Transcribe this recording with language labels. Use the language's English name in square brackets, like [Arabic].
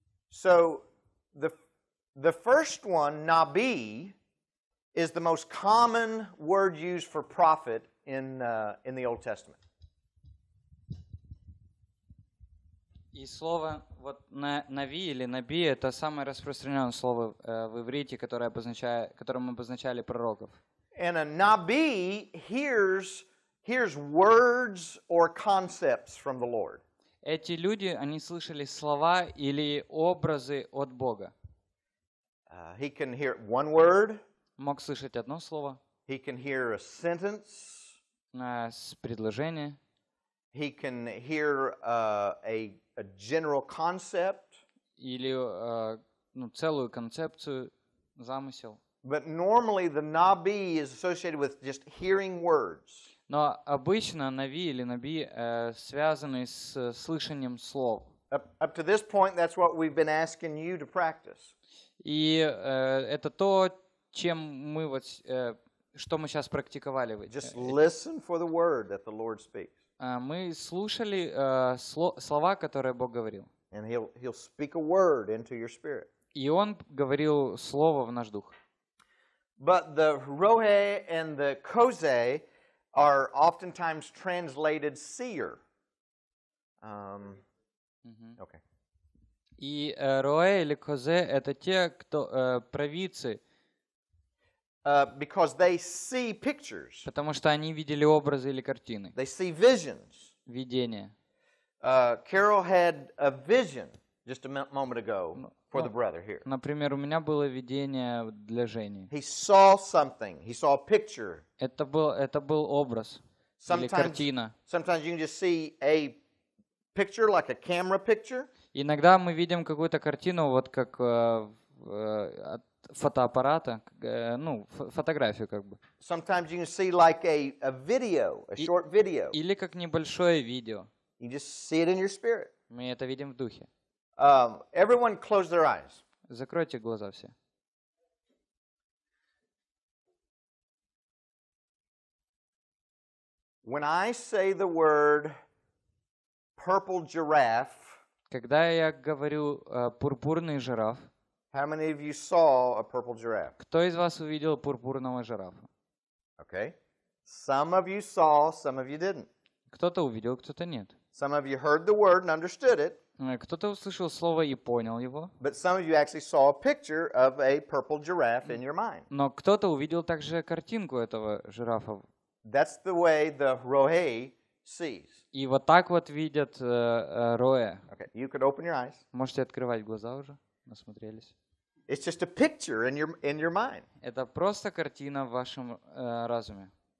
[English] So the first one, Nabi, is the most common word used for prophet in the Old Testament. [Russian] И слово вот Нави или Наби это самое распространенное слово в иврите, которым обозначали пророков. [English] And a Nabi hears words or concepts from the Lord. [Russian] Эти люди, они слышали слова или образы от Бога. [English] He can hear one word. [Russian] Мог слышать одно слово. [English] He can hear a sentence. [Russian] предложение. [English] He can hear a general concept. [Russian] Или целую концепцию, замысел. [English] But normally the наби is associated with just hearing words. [Russian] Но обычно наби или наби связаны с слышанием слов. [English] Up to this point, that's what we've been asking you to practice. [Russian] И это то, чем мы вот что мы сейчас практиковали. [English] Just listen for the word that the Lord speaks. [Russian] Мы слушали слова, которые Бог говорил. [English] And he'll speak a word into your spirit. [Russian] И он говорил слово в наш дух. [English] But the rohe and the koze are oftentimes translated seer. Okay. [Russian] И роэ или козе это те, кто провидцы. [English] Because they see pictures. [Russian] Потому что они видели образы или картины. [English] They see visions. [Russian] Видения. [English] Carol had a vision just a moment ago for the brother here. [Russian] Например, у меня было видение для Жени. [English] He saw something. He saw a picture. [Russian] Это был образ или картина. [English] Sometimes you can just see a picture, like a camera picture. [Russian] Иногда мы видим какую-то картину, вот как от фотоаппарата, фотографию как бы. [English] Sometimes you can see like a video, a short video. [Russian] Или как небольшое видео. [English] You just see it in your spirit. [Russian] Мы это видим в духе. [English] Everyone close their eyes. [Russian] Закройте глаза все. [English] When I say the word purple giraffe, [Russian] когда я говорю пурпурный жираф, [English] how many of you saw a purple giraffe? [Russian] Кто из вас увидел пурпурного жирафа? [English] Okay. Some of you saw, some of you didn't. [Russian] Кто-то увидел, кто-то нет. [English] Some of you heard the word and understood it. [Russian] Кто-то услышал слово и понял его. [English] But some of you actually saw a picture of a purple giraffe in your mind. [Russian] Но кто-то увидел также картинку этого жирафа. [English] That's the way the rohe sees. [Russian] И вот так вот видят роэ. [English] Okay, you could open your eyes. [Russian] Можете открывать глаза уже, насмотрелись. [English] It's just a picture in your mind. [Russian] Это просто картина в вашем разуме.